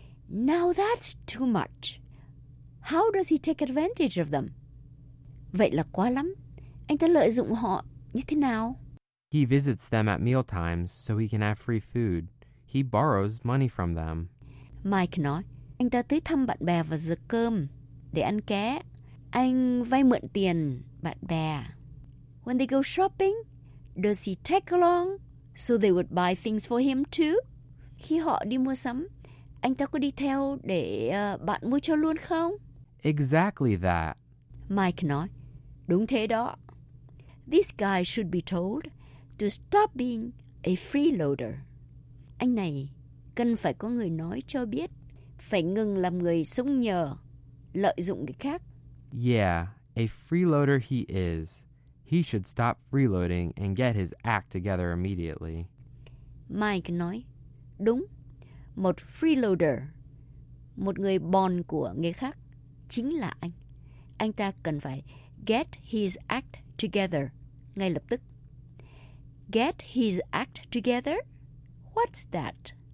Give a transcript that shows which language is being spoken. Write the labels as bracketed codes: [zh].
[en] Now that's too much. How does he take advantage of them? [vi] Vậy là quá lắm. Anh ta lợi dụng họ như thế nào? [en] He visits them at mealtimes so he can have free food. He borrows money from them. [vi] Mike nói, anh ta tới thăm bạn bè vào giờ cơm để ăn ké. Anh vay mượn tiền bạn bè. [en] When they go shopping, does he take along so they would buy things for him too? [vi] Khi họ đi mua sắm, anh ta có đi theo để bạn mua cho luôn không? [en] Exactly that. [vi] Mike nói, đúng thế đó. [en] This guy should be told to stop being a freeloader. [vi] Anh này cần phải có người nói cho biết, phải ngừng làm người sống nhờ, lợi dụng người khác. [en] Yeah, a freeloader he is. He should stop freeloading and get his act together immediately. [vi] Mike nói, đúng, một freeloader, một người bòn của người khác, chính là anh. Anh ta cần phải [en] get his act together [vi] ngay lập tức. [en] Get his act together? What's that?